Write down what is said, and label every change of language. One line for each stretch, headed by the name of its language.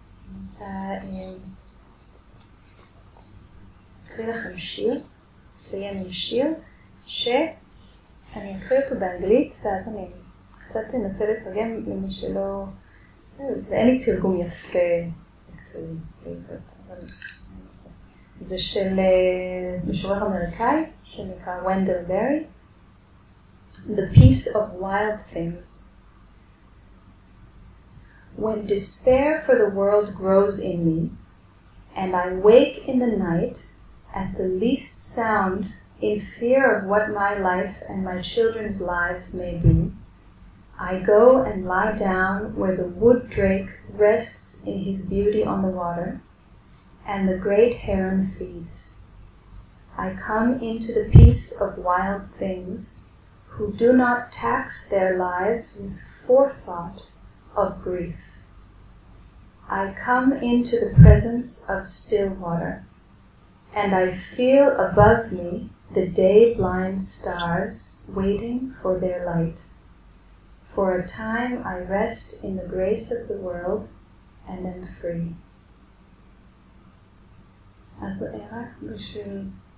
Hebrew: אני רוצה אקריא לכם שיר, אסיים עם שיר, שאני אקריא אותו באנגלית, ואז אני קצת אנסה לתרגם למי שלא, ואין לי תרגום יפה מקצועי בעברית, אבל זה של משורר אמריקאי שנקרא ונדל ברי,
English: The Peace of Wild Things. When despair for the world grows in me, and I wake in the night at the least sound in fear of what my life and my children's lives may be, I go and lie down where the wood drake rests in his beauty on the water, and the great heron feeds. I come into the peace of wild things, who do not tax their lives with forethought of grief. I come into the presence of still water, and I feel above me the day-blind stars waiting for their light. For a time I rest in the grace of the world and am free.
German: Also ein bisschen,